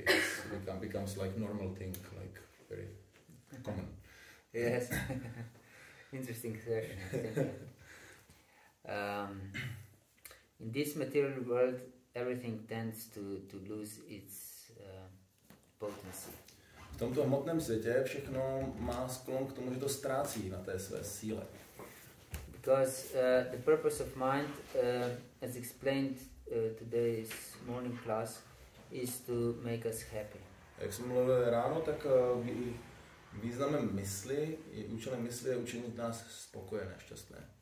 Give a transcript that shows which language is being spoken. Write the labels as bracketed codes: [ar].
[en] It becomes like normal thing, like very common. Yes. Interesting question. In this material world, everything tends to lose its potency. [cs] V tomto hmotném světě všechno má sklon k tomu, že to ztrácí na té své síle. [en] Because the purpose of mind, as explained today's morning class, is to make us happy. [cs] Jak jsem mluvil ráno, tak významem mysli, účelem mysli je učinit nás spokojené, šťastné.